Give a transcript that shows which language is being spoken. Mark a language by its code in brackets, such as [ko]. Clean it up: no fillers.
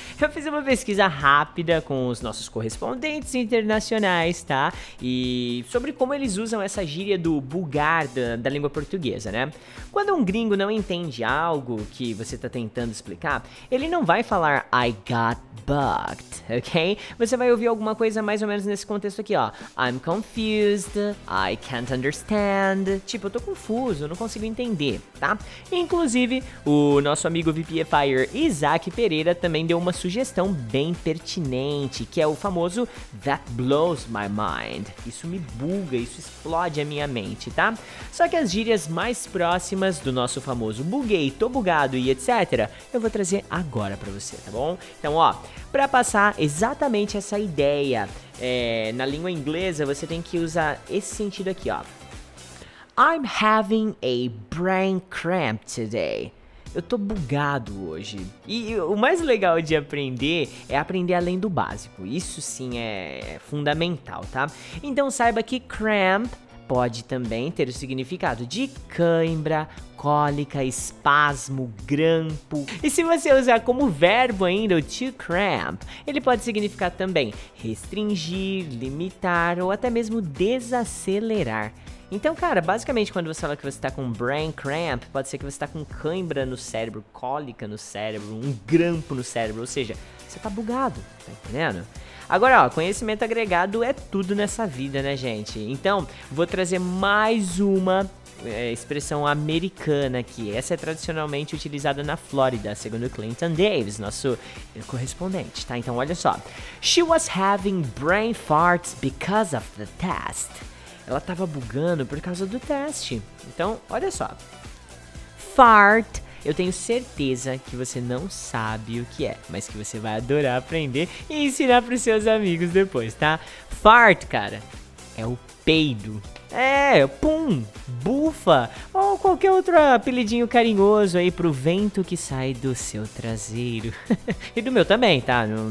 [pt] Eu fiz uma pesquisa rápida com os nossos correspondentes internacionais, tá? E sobre como eles usam essa gíria do bugar da língua portuguesa, né? Quando um gringo não entende algo que você tá tentando explicar, ele não vai falar [en] I got bugged, [pt] ok? Você vai ouvir alguma coisa mais ou menos nesse contexto aqui, ó. [en] I'm confused, I can't understand. [pt] Tipo, eu tô confuso, não consigo entender, tá? Inclusive, o nosso amigo VIPifier Isaac Pereira também deu uma sugestão bem pertinente, que é o famoso [en] that blows my mind. [pt] Isso me buga, isso explode a minha mente, tá? Só que as gírias mais próximas do nosso famoso buguei, tô bugado e etc, eu vou trazer agora pra você, tá bom? Então, ó, pra passar exatamente essa ideia, na língua inglesa, você tem que usar esse sentido aqui, ó. [en] I'm having a brain cramp today. [pt] Eu tô bugado hoje. E o mais legal de aprender é aprender além do básico. Isso sim é fundamental, tá? Então saiba que cramp pode também ter o significado de cãibra, cólica, espasmo, grampo. E se você usar como verbo ainda o to cramp, ele pode significar também restringir, limitar ou até mesmo desacelerar. Então, cara, basicamente quando você fala que você tá com brain cramp, pode ser que você tá com cãibra no cérebro, cólica no cérebro, um grampo no cérebro, ou seja, você tá bugado, tá entendendo? Agora, ó, conhecimento agregado é tudo nessa vida, né, gente? Então, vou trazer mais uma expressão americana aqui. Essa é tradicionalmente utilizada na Flórida, segundo Clinton Davis, nosso correspondente, tá? Então, olha só. [en] She was having brain farts because of the test. [pt] Ela tava bugando por causa do teste. Então, olha só. Fart. Eu tenho certeza que você não sabe o que é, mas que você vai adorar aprender e ensinar pros seus amigos depois, tá? Fart, cara, é o peido. É, pum, bufa ou qualquer outro apelidinho carinhoso aí pro vento que sai do seu traseiro. E do meu também, tá?